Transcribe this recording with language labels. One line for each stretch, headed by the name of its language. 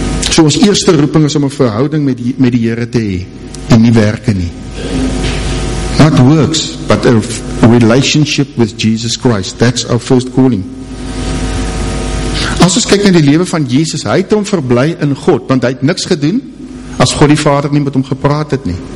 Afrikaans: So ons eerste roeping is om 'n verhouding met die Here te hê, en nie werke nie.
English: Not works, but a relationship with Jesus Christ. That's our first calling.
Afrikaans: As ons kyk na die lewe van Jesus, hy het hom verbly in God, want hy het niks gedoen as God die Vader nie met hom gepraat het nie.